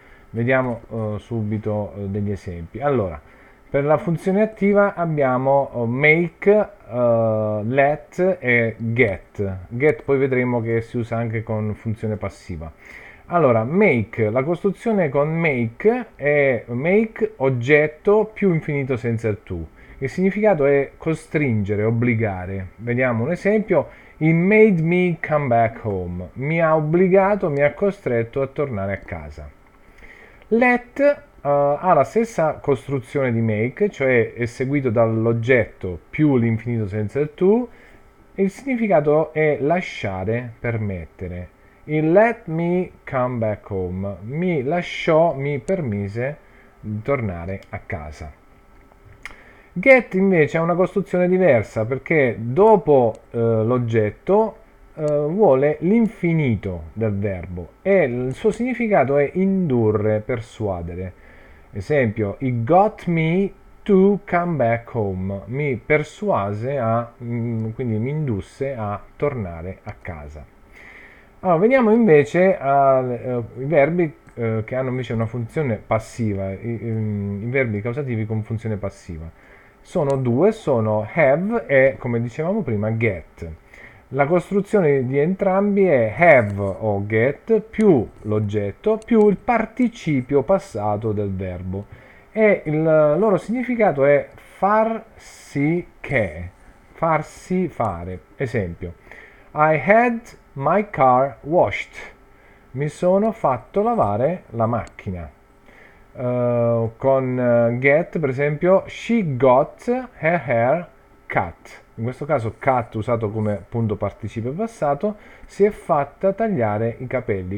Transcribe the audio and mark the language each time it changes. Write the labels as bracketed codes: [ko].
[it] Vediamo subito degli esempi. Allora, per la funzione attiva abbiamo make, let e get. Get poi vedremo che si usa anche con funzione passiva. Allora, make, la costruzione con make è make oggetto più infinito senza to. Il significato è costringere, obbligare. Vediamo un esempio. [en] He made me come back home. [it] Mi ha obbligato, mi ha costretto a tornare a casa. Let, ha la stessa costruzione di make, cioè è seguito dall'oggetto più l'infinito senza to. Il significato è lasciare, permettere. [en] He let me come back home. [it] Mi lasciò, mi permise di tornare a casa. Get invece è una costruzione diversa perché dopo l'oggetto vuole l'infinito del verbo e il suo significato è indurre, persuadere. Esempio, [en] he got me to come back home. [it] Mi persuase a, quindi mi indusse a tornare a casa. Allora, veniamo invece ai verbi che hanno invece una funzione passiva, i verbi causativi con funzione passiva. Sono due, sono have e, come dicevamo prima, get. La costruzione di entrambi è have o get più l'oggetto più il participio passato del verbo. E il loro significato è far sì che, farsi fare. [en] Esempio, I had my car washed. [it] Mi sono fatto lavare la macchina. Con get, per esempio, [en] she got her hair cut. [it] In questo caso, cut usato come punto participio passato, si è fatta tagliare i capelli.